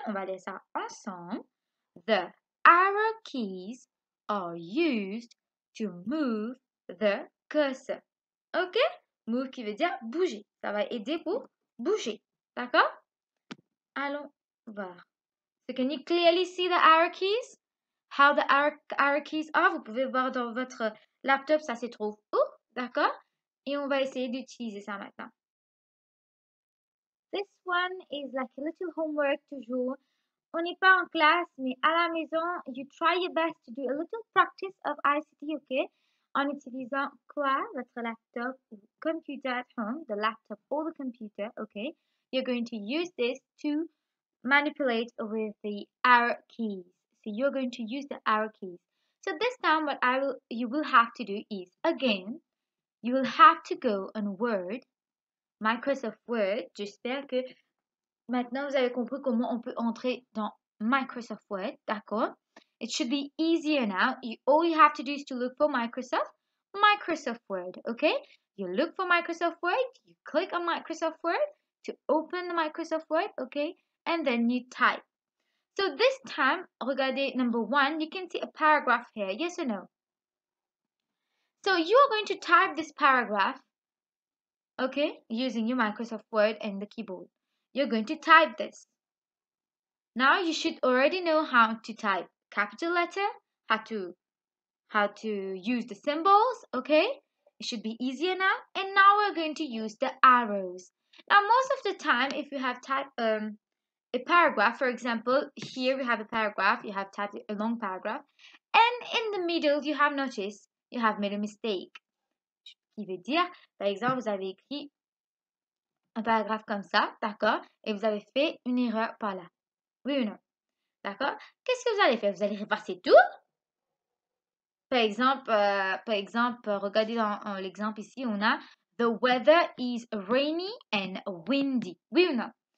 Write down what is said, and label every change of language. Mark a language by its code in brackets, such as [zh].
[fr] On va lire ça ensemble. [en] The arrow keys are used to move the cursor. [fr] OK? Move qui veut dire bouger. Ça va aider pour bouger. D'accord? Allons voir. [en] So can you clearly see the arrow keys? How the arrow keys are? [fr] Vous pouvez voir dans votre laptop, ça se trouve où? D'accord? Et on va essayer d'utiliser ça maintenant. [en] This one is like a little homework toujours. [fr] On n'est pas en classe, mais à la maison, [en] you try your best to do a little practice of ICT, OK? [fr] En utilisant quoi? Votre laptop ou computer [en] at home, the laptop or the computer, OK? You're going to use this to manipulate with the arrow keys. So you're going to use the arrow keys. So this time, what you will have to do is, again, you will have to go on Word, Microsoft Word. [fr] J'espère que maintenant vous avez compris comment on peut entrer dans Microsoft Word, d'accord? [en] It should be easier now. All you have to do is to look for Microsoft Word, okay? You look for Microsoft Word, you click on Microsoft Word to open the Microsoft Word, okay? And then you type. So this time, regardez number one, you can see a paragraph here, yes or no? So you are going to type this paragraph, okay, using your Microsoft Word and the keyboard. You're going to type this. Now you should already know how to type capital letter, how to use the symbols, okay? It should be easier now. And now we're going to use the arrows. Now most of the time, if you have typed a paragraph, for example, here we have a paragraph, you have typed a long paragraph, and in the middle you have noticed you have made a mistake. [fr] Qui veut dire, par exemple, vous avez écrit un paragraphe comme ça, d'accord? Et vous avez fait une erreur par là. Oui ou non? D'accord? Qu'est-ce que vous allez faire? Vous allez repasser tout? Par exemple, regardez dans l'exemple ici, on a [en] The weather is rainy and windy. [fr] Oui ou non?